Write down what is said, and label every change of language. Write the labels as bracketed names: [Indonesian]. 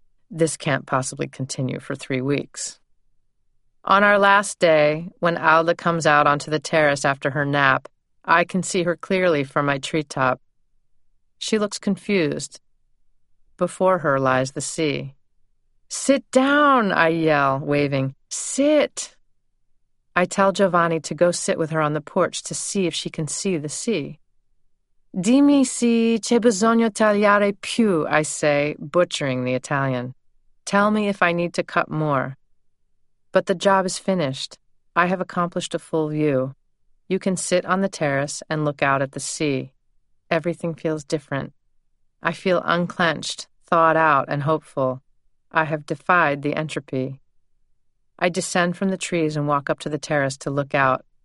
[English] This can't possibly continue for 3 weeks. On our last day, when Alda comes out onto the terrace after her nap, I can see her clearly from my treetop. She looks confused. Before her lies the sea. Sit down, I yell, waving. Sit! I tell Giovanni to go sit with her on the porch to see if she can see the sea. [Italian] Dimmi se c'è bisogno tagliare più, [English] I say, butchering the Italian. Tell me if I need to cut more. But the job is finished. I have accomplished a full view. You can sit on the terrace and look out at the sea. Everything feels different. I feel unclenched, thawed out, and hopeful. I have defied the entropy. I descend from the trees and walk up to the terrace to look out.